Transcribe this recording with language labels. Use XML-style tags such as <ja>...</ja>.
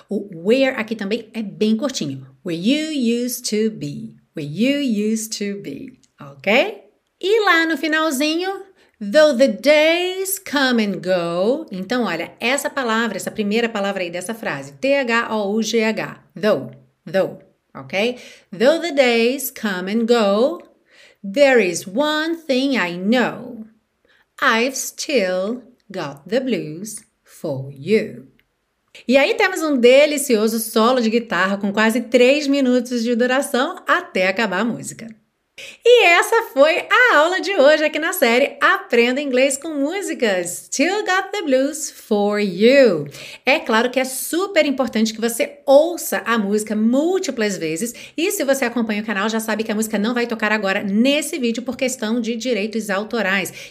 <pt>O where aqui também é bem curtinho,</pt> <en>where you used to be, where you used to be. Ok?</en> <pt>E lá no finalzinho,</pt> <en>though the days come and go.</en> <pt>Então, olha, essa palavra, essa primeira palavra aí dessa frase, T-H-O-U-G-H, though, though, ok?</pt> <en>Though the days come and go, there is one thing I know. I've still got the blues for you.</en> <pt>E aí temos um delicioso solo de guitarra com quase 3 minutos de duração até acabar a música. E essa foi a aula de hoje aqui na série Aprenda Inglês com Músicas, Still Got the Blues for You. É claro que é super importante que você ouça a música múltiplas vezes, e se você acompanha o canal já sabe que a música não vai tocar agora nesse vídeo por questão de direitos autorais.</pt>